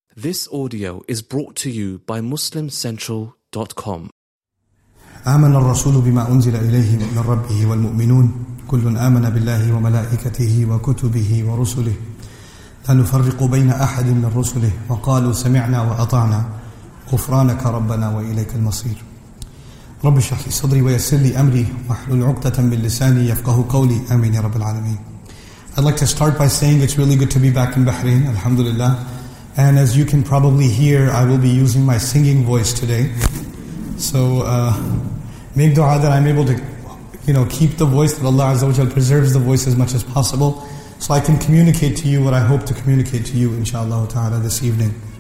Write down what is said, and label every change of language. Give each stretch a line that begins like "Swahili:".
English: This audio is brought to you by MuslimCentral.com.
Arabic: آمن الرسول بما أنزل إليه من ربه والمؤمنون كل آمن بالله وملائكته وكتبه ورسله لا نفرق بين أحد من رسله وقالوا سمعنا وأطعنا غفرانك ربنا وإليك المصير رب اشرح لي صدري ويسر لي أمري واحلل عقدة من لساني يفقه قولي آمين يا رب العالمين.
English: I'd like to start by saying it's really good to be back in Bahrain, alhamdulillah. And as you can probably hear, I will be using my singing voice today. So make dua that I'm able to, you know, keep the voice, that Allah Azza wa Jalla preserves the voice as much as possible, so I can communicate to you what I hope to communicate to you, inshallah ta'ala, this evening.